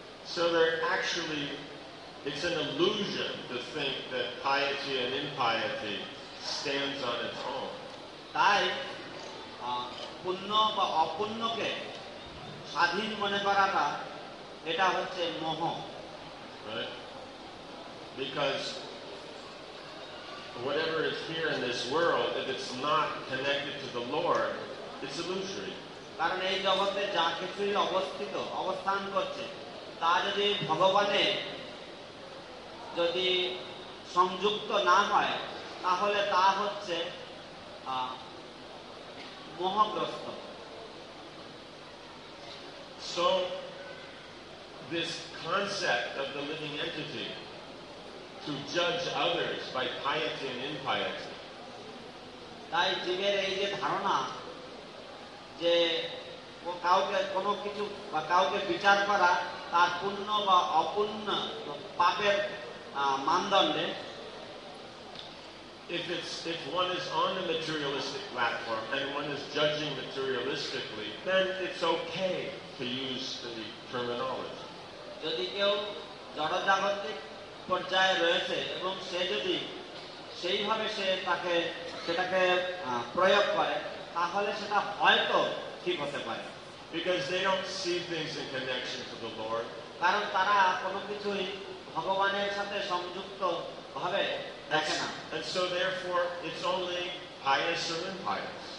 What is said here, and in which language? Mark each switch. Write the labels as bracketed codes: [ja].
[en] So there actually, it's an illusion to think that piety and impiety stands on its own. [bn] তাই পুণ্য বা অপুণ্যকে স্বাধীন মনে করাটা এটা হচ্ছে মোহ [en] Because whatever is here in this world, if it's not connected to the Lord, it's illusory. [bn] কারণ এই জগতে যা কিছুই অবস্থিত অবস্থান করছে তা যদি ভগবানে যদি সংযুক্ত না হয় তাহলে তা হচ্ছে মোহগ্রস্ত [en] So this concept of the living entity to judge others by piety and impiety. [bn] তাই জীবের এই যে ধারণা যে কাউকে কোনো কিছু বা কাউকে বিচার করা তার পুণ্য বা অপুণ্য পাপের মানদণ্ডে [en] If one is on a materialistic platform and one is judging materialistically, then it's okay to use the terminology. [bn] যদি কেউ জড়জাগতিক পর্যায়ে রয়েছে এবং সে যদি সেইভাবে সেটাকে প্রয়োগ করে তাহলে সেটা হয়তো ঠিক হতে পারে [en] Because they don't see things in connection to the Lord. [bn] কারণ তারা কোনো কিছুই ভগবানের সাথে সংযুক্ত ভাবে [en] And so therefore, it's only pious or impious.